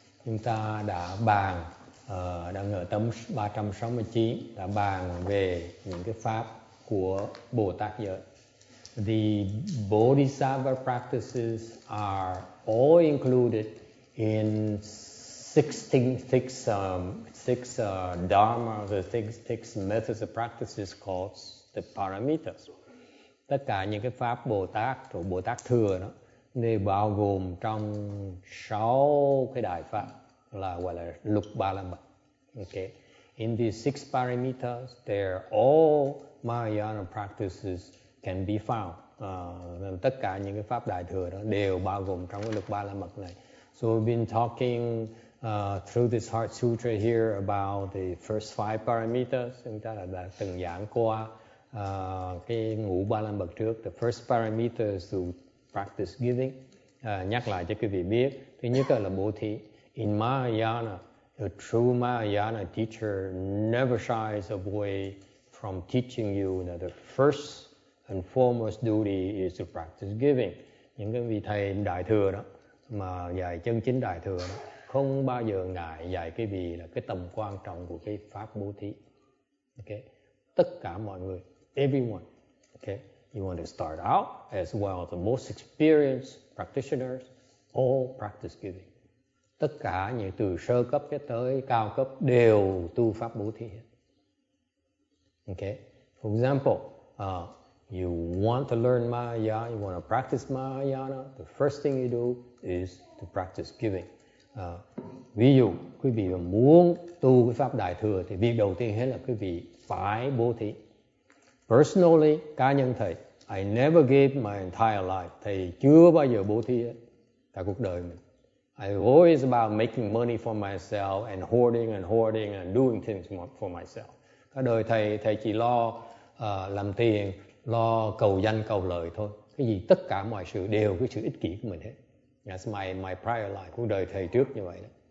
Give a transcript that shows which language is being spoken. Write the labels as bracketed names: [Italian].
[Vietnamese] Chúng ta đã bàn, đang ở tấm 369, đã bàn về những cái pháp của Bồ Tát giới. [English] The Bodhisattva practices are all included in 16 methods of practices called the paramitas. [Vietnamese] Tất cả những cái pháp Bồ Tát thuộc Bồ Tát thừa đó thì bao gồm trong 6 cái đại pháp là gọi là lục ba la mật. [English] Okay. In these 6 paramitas, they're all Mahayana practices can be found. [Vietnamese] Tất cả những cái pháp đại thừa đó đều bao gồm trong cái lục ba la mật này. [English] So we've been talking through this Heart Sutra here about the first 5 parameters. [Vietnamese] Chúng ta đã từng giảng qua cái ngũ ba la mật trước. [English] The first parameters to practice giving. [Vietnamese] Nhắc lại cho quý vị biết. Thứ nhất là bố thí. [English] In Mahayana, a true Mahayana teacher never shies away from teaching you that the first and foremost duty is to practice giving. [Vietnamese] Những cái vị thầy đại thừa đó mà dạy chân chính đại thừa đó, không bao giờ ngại dạy cái gì là cái tầm quan trọng của cái pháp bố thí. Okay. Tất cả mọi người, [English] everyone. Okay. You want to start out as well as the most experienced practitioners, all practice giving. [Vietnamese] Tất cả những từ sơ cấp cho tới cao cấp đều tu pháp bố thí. [English] Okay. For example, you want to learn Mahayana, you want to practice Mahayana, the first thing you do is to practice giving. [Vietnamese] Ví dụ quý vị muốn tu cái pháp đại thừa thì việc đầu tiên hết là quý vị phải bố thí. [English] Personally, [Vietnamese] cá nhân thầy, [English] I never gave my entire life. [Vietnamese] Thầy chưa bao giờ bố thí cả cuộc đời mình. [English] I always about making money for myself and hoarding and hoarding and doing things for myself. [Vietnamese] Cả đời thầy, thầy chỉ lo làm tiền, lo cầu danh cầu lợi thôi. Cái gì tất cả mọi sự đều cái sự ích kỷ của mình hết. [English] That's my prior life, [Vietnamese] cuộc đời thầy trước như vậy đó.